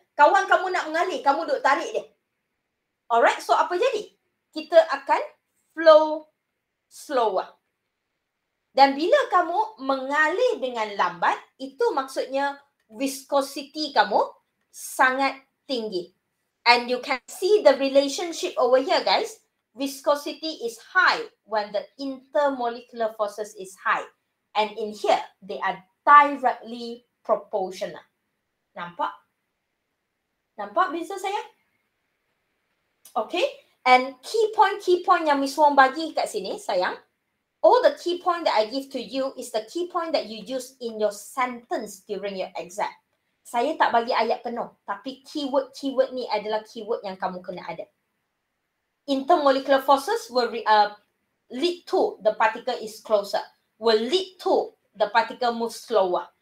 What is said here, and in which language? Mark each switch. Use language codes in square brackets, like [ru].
[ms] Kawan kamu nak mengalir, kamu duduk tarik dia. Alright, so apa jadi? Kita akan flow slower. Dan bila kamu mengalir dengan lambat, itu maksudnya viscosity kamu sangat tinggi. [en] And you can see the relationship over here, guys. Viscosity is high when the intermolecular forces is high. And in here, they are directly proportional. [ms] Nampak? Nampak beza saya? [en] Okay. [ms] And key point yang Miss Wong bagi kat sini, sayang. [en] All the key point that I give to you is the key point that you use in your sentence during your exam. [ms] Saya tak bagi ayat penuh, tapi keyword ni adalah keyword yang kamu kena ada. [en] Intermolecular forces will lead to the particle is closer, will lead to the particle move slower.